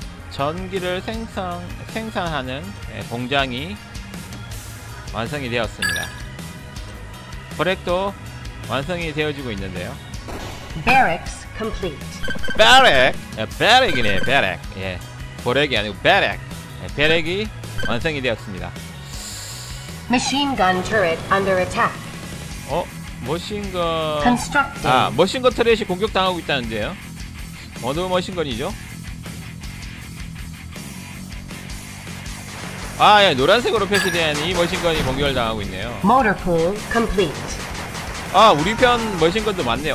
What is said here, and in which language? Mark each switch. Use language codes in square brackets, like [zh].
[ko] 전기를 생산하는 공장이 완성이 되었습니다. 버렉도 완성이 되어지고 있는데요. [en] Barracks complete. Barrack. 버렉이네. Barrack. 예. [ko] 버렉이 아니고 Barrack. 베렉이 완성이 되었습니다. [en] Machine gun turret under attack. [ko] 어? 머신건... [en] Constructing. [ko] 아, 머신건 터렛이 공격당하고 있다는데요. 어느 머신건이죠? 아, 예, 노란색으로 표시된 이 머신건이 공격을 당하고 있네요. [en] Motor pool complete. [ko] 아, 우리 편 머신건도 많네요.